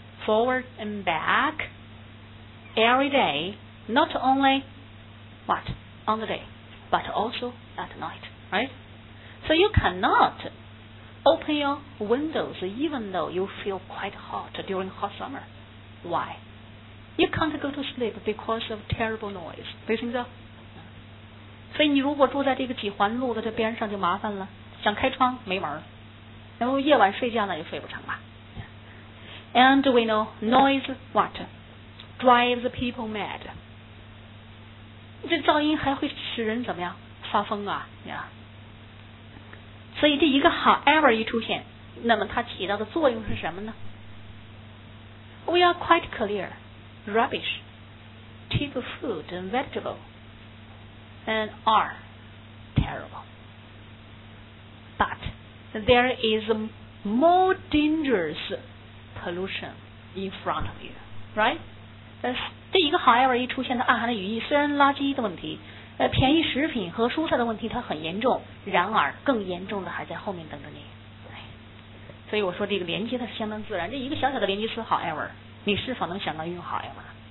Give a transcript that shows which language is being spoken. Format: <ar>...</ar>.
<en>Forward and back every day, not only what? On the day, but also at night, right? So you cannot open your windows even though you feel quite hot during hot summer. Why? You can't go to sleep because of terrible noise.</en> <zh>对不对？所以你如果住在这个几环路的这边上就麻烦了，想开窗没门，然后夜晚睡觉呢也睡不成了。</zh> <en>And we know noise what? Drives people mad.</en> <zh>这噪音还会使人怎么样发疯啊、yeah. 所以这一个 however 一出现，那么它起到的作用是什么呢？</zh> <en>We are quite clear. Rubbish take food and vegetable and are terrible. But there is more dangerous pollution in front of you, right?</en> <zh>这一个 however 一出现，它暗含的语义，虽然垃圾的问题、便宜食品和蔬菜的问题它很严重，然而更严重的还在后面等着你。所以我说这个连接它是相当自然，这一个小小的连接词 however， 你是否能想到用 however？</zh>